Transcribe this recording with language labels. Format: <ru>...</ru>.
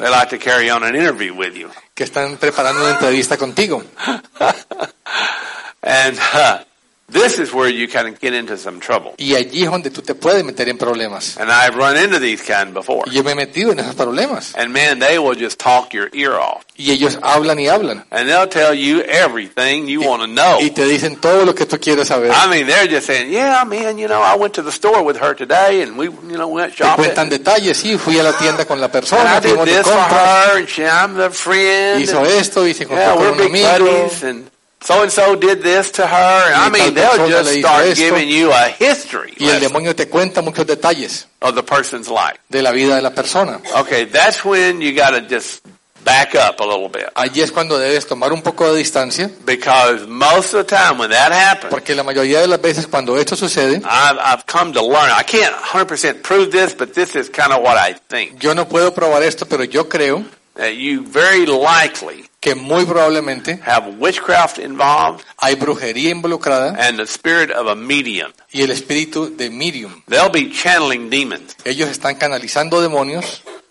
<en>They like to carry on an interview with you.</en> <es>Que están preparando una entrevista contigo.</es> <en>And this is where you kind of get into some trouble.</en> <es>Y allí es donde tú te puedes meter en problemas.</es> <en>And I've run into these kind before.</en> <es>Yo me he metido en esos problemas.</es> <en>And man, they will just talk your ear off.</en> <es>Y ellos hablan y hablan.</es> <en>And they'll tell you everything you want to know.</en> <es>Y te dicen todo lo que tú quieres saber.</es> <en>I mean, they're just saying, yeah, man, you know, I went to the store with her today, and we, you know, went shopping.</en> <es>Te cuentan detalles, sí, fui a la tienda con la persona,</es> <en>and I did this for her, and she, I'm the friend.</en> <es>Hizo esto, y se contó con un amigo.</es> <en>Yeah, we're big buddies, and so and so did this to her. I mean, they'll just start giving you a history.</en> <es>Y el demonio te cuenta muchos detalles</es> <en>of the person's life.</en> <es>De la vida de la persona.</es> <en>Okay, that's when you gotta just back up a little bit.</en> <es>Allí es cuando debes tomar un poco de distancia.</es> <en>Because most of the time when that happens.</en> <es>Porque la mayoría de las veces cuando esto sucede.</es> <en>I've come to learn. I can't 100% prove this, but this is kind of what I think.</en> <es>Yo no puedo probar esto, pero yo creo.</es> <en>That you very likely</en> <es>que muy probablemente</es> <en>have witchcraft involved,</en> <es>hay brujería involucrada,</es> <en>and the spirit of a medium.</en> <es>Y el espíritu de medium.</es> <en>They'll be channeling demons.</en> <es>Ellos están canalizando demonios.</es>